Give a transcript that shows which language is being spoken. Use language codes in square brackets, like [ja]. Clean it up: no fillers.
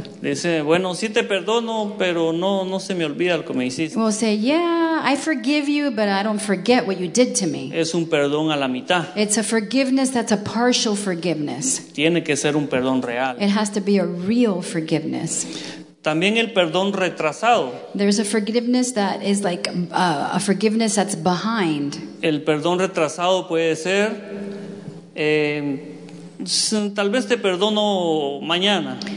[es] Dice, bueno, sí te perdono, pero no se me olvida lo que me hiciste. [en] We'll say, yeah, I forgive you, but I don't forget what you did to me. [es] Es un perdón a la mitad. [en] It's a forgiveness that's a partial forgiveness. [es] Tiene que ser un perdón real. [en] It has to be a real forgiveness. [es] También el perdón retrasado. [en] There's a forgiveness that is like a forgiveness that's behind. [es] El perdón retrasado puede ser, tal vez te perdono mañana.